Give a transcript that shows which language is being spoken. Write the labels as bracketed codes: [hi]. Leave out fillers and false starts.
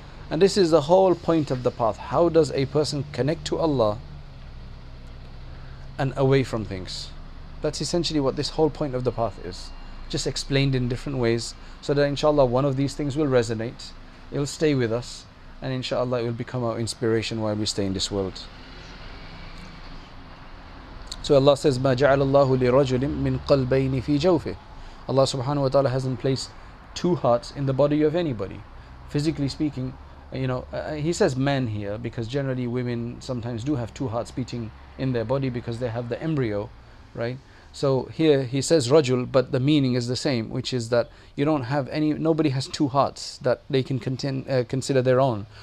[en] And this is the whole point of the path. How does a person connect to Allah and away from things? That's essentially what this whole point of the path is, just explained in different ways, so that inshallah one of these things will resonate, it'll stay with us, and inshallah it will become our inspiration while we stay in this world. So Allah says, [ar] مَا جَعَلَ اللَّهُ لِرَجُلٍ مِّن قَلْبَيْنِ فِي جَوْفِهِ. [en] Allah subhanahu wa ta'ala hasn't placed two hearts in the body of anybody. Physically speaking, you know, he says man here, because generally women sometimes do have two hearts beating in their body because they have the embryo, right? So here he says rajul, but the meaning is the same, which is that you don't have any, nobody has two hearts that they can consider their own.